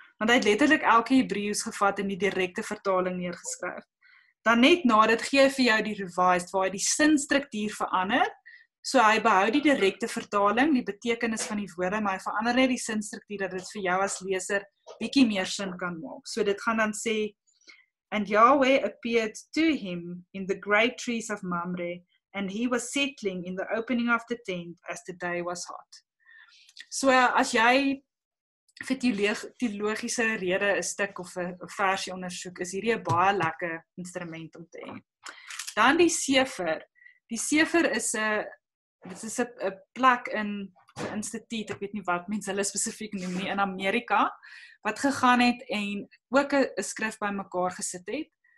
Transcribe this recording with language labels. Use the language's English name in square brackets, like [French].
[Afrikaans] Want hy het letterlik elke Hebreeus gevat in die direkte vertaling neergeskryf. Dan net na dit gee vir jou die revised, waar hy die sinstruktuur verander, so hy behou die direkte vertaling, die betekenis van die woorde, maar hy verander net die sinstruktuur, dat dit vir jou as leser bietjie meer sin kan maak. So dit gaan dan sê, [English] and Yahweh appeared to him in the great trees of Mamre, and he was settling in the opening of the tent as the day was hot. [Afrikaans] So as jy vir teologiese rede een stuk of een versie ondersoek, is hierdie een baie lekker instrument om te hê. Dan die sefer. Die sefer is 'n plek in so instituut, ek weet nie wat mens hulle spesifiek noem nie, in Amerika, wat gegaan het en ook een skrif by mekaar gesit het.